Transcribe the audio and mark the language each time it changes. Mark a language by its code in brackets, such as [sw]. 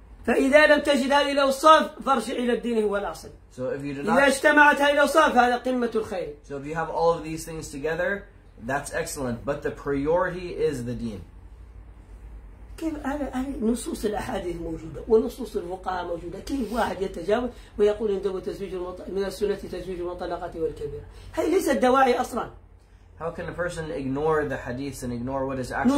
[ar] فإذا لم تجد هذه الأوصاف فارجع إلى الدين هو الأصل. [en] So if you do not, [ar] إذا اجتمعت هذه الأوصاف هذا قمة الخير. [en] So if you have all of these things together, that's excellent. But the priority is the deen. [ar] كيف نصوص الأحاديث موجودة ونصوص الفقهاء موجودة كيف واحد يتجاوز ويقول إن دوت تزويج من السنة تزويج المطلقة والكبيرة هذه ليست دواعي أصلاً. [en] How can a person ignore the hadith and ignore what is actually